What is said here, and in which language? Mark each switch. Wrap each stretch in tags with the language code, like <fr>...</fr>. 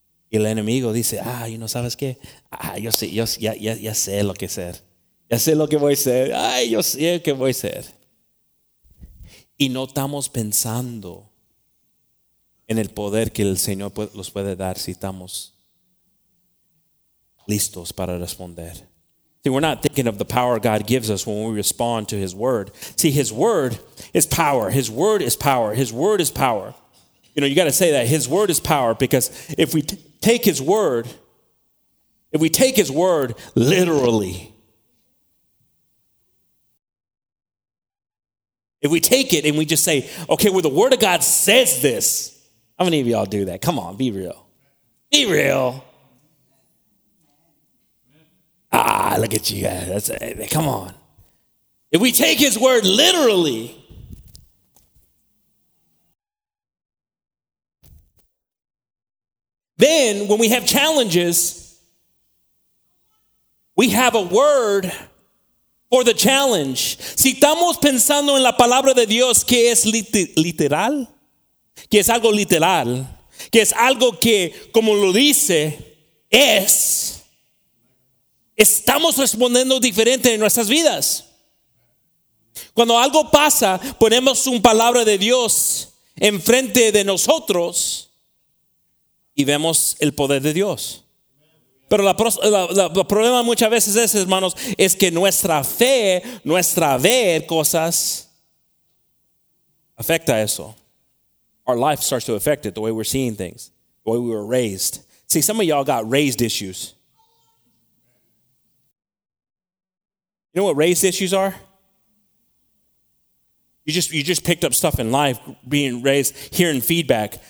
<es>Y el enemigo dice, ah, ¿y no sabes qué? Ah, yo sé, yo ya sé lo que ser. Ya sé lo que voy a ser. Ay, yo sé lo que voy a ser. Y no estamos pensando en el poder que el Señor los puede dar si estamos listos para responder.</es> <en>See, we're not thinking of the power God gives us when we respond to His word. See, His word is power. His word is power. His word is power. You know, you got to say that. His word is power, because if we take His word, if we take His word literally, if we take it and we just say, okay, well, the word of God says this. How many of y'all do that? Come on, be real. Be real. Ah, look at you guys. That's a, come on. If we take His word literally, then when we have challenges, we have a word for the challenge.</en> <es>Si estamos pensando en la palabra de Dios, que es literal, que es algo literal, que es algo que, como lo dice, es, estamos respondiendo diferente en nuestras vidas. Cuando algo pasa, ponemos una palabra de Dios enfrente de nosotros y vemos el poder de Dios. Pero el problema muchas veces es, hermanos, es que nuestra fe, nuestra ver cosas, afecta eso.</es> <en>Our life starts to affect it, the way we're seeing things, the way we were raised. See, some of y'all got raised issues. You know what raised issues are? You just picked up stuff in life, being raised, hearing feedback.</en>